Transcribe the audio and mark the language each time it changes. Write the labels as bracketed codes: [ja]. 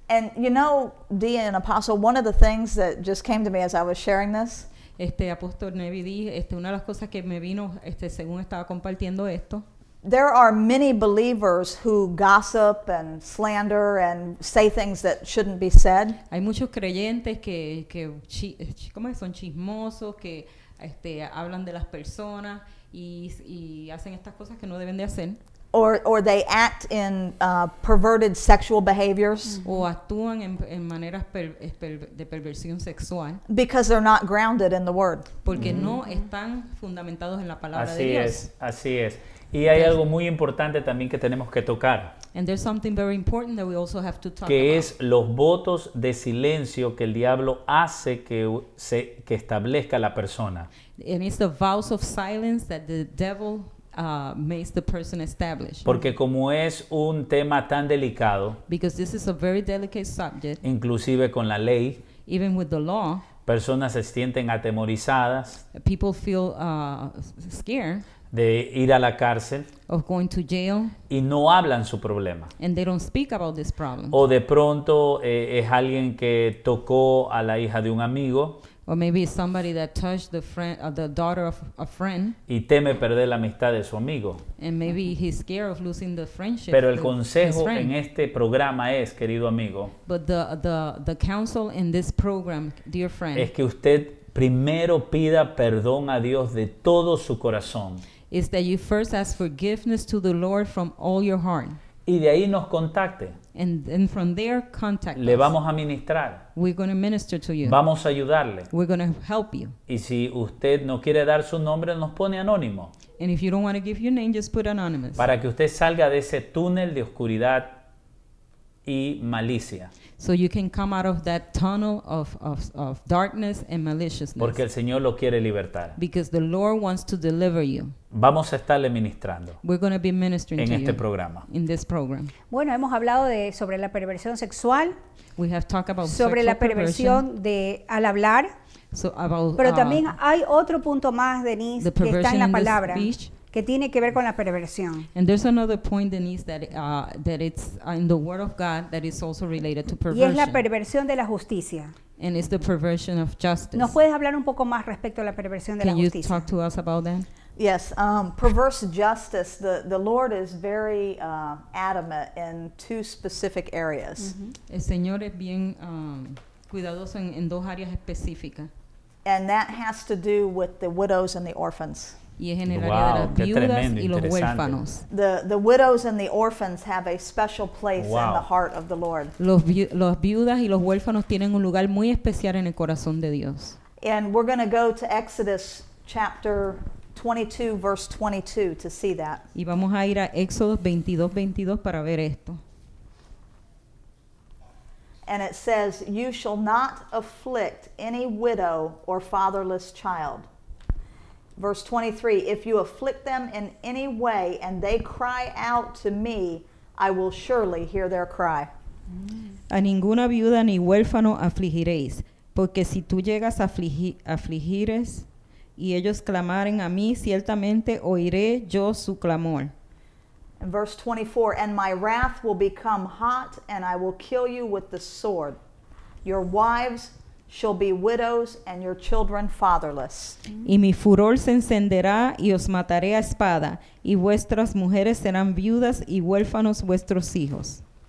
[en] And you know, Dee and Apostle, one of the things that just came to me as I was sharing this. [es] Apóstol Nevi Dee, una de las cosas que me vino según estaba compartiendo esto. [en] There are many believers who gossip and slander and say things that shouldn't be said. [es] Hay muchos creyentes que ¿cómo son chismosos que hablan de las personas y hacen estas cosas que no deben de hacer? [en] Or they act in perverted sexual behaviors. [es] O actúan en maneras de perversión sexual. [en] Because they're not grounded in the word. [es] Porque no están fundamentados en la palabra así de Dios. Así es, así es. Y hay algo muy importante también que tenemos que tocar. [en] And there's something very important that we also have to talk about. [es] Que es los votos de silencio que el diablo hace que establezca la persona. [en] And it's the vows of silence that the devil makes the person establish. [es] Porque como es un tema tan delicado. [en] Because this is a very delicate subject. [es] Inclusive con la ley. [en] Even with the law. [es] Personas se sienten atemorizadas. [en] People feel scared. [es] De ir a la cárcel. [en] Of going to jail. [es] Y no hablan su problema. [en] And they don't speak about this problem. [es] O de pronto es alguien que tocó a la hija de un amigo. [en] Or maybe it's somebody that touched the friend, the daughter of a friend. [es] Y teme perder la amistad de su amigo. [en] And maybe he's scared of losing the friendship. [es] Pero el consejo en este programa es, querido amigo. [en] But the counsel in this program, dear friend. [es] Es que usted primero pida perdón a Dios de todo su corazón. [en] Is that you first ask forgiveness to the Lord from all your heart. [es] Y de ahí nos contacte. [en] And from there contact [es] le [en] us. [es] Vamos a ministrar. [en] We're going to minister to you. [es] Vamos a ayudarle. [en] We're going to help you. [es] Y si usted no quiere dar su nombre, nos pone anónimo. [en] And if you don't want to give your name, just put anonymous. [es] Para que usted salga de ese túnel de oscuridad y malicia. [en] So you can come out of that tunnel of darkness and maliciousness. [es] Porque el Señor lo quiere libertar. [en] Because the Lord wants to deliver you. [es] Vamos a estarle ministrando. [en] We're going to be ministering to you. [es] En este programa. [en] In this program. [es] Bueno, hemos hablado sobre la perversión sexual. [en] We have talked about [es] sobre [en] sexual [es] la perversión [en] perversion. [es] De al hablar. [en] So about, [es] pero también hay otro punto más, Denise, que está en la palabra, que tiene que ver con la perversión. [en] And there's another point, Denise, that that it's in the Word of God that is also related to perversion. [es] Y es la perversión de la justicia. [en] And it's the perversion of justice. [es] ¿Nos puedes hablar un poco más respecto a la perversión de [en] Can [es] la justicia? [en] Can you talk to us about that? Yes, perverse justice. The Lord is very adamant in two specific areas. Mm-hmm. [es] El Señor es bien cuidadoso en dos áreas específicas. [en] And that has to do with the widows and the orphans. [es] Y es en el área de las viudas y los huérfanos. [en] The widows and the orphans have a special place in the heart of the Lord. [es] Los viudas y los huérfanos tienen un lugar muy especial en el corazón de Dios. [en] And we're going to go to Exodus chapter 22, verse 22 to see that. [es] Y vamos a ir a Éxodo 22:22 para ver esto. [en] And it says, "You shall not afflict any widow or fatherless child." Verse 23, "If you afflict them in any way and they cry out to me, I will surely hear their cry." [es] A ninguna viuda ni huérfano afligiréis, porque si tú llegas a afligires y ellos clamaren a mí, ciertamente oiré yo su clamor. [en] In verse 24, "And my wrath will become hot, and I will kill you with the sword. Your wives shall be widows, and your children fatherless." [es] Y mi furor se encenderá, y os mataré a espada, y vuestras mujeres serán viudas, y huérfanos vuestros hijos.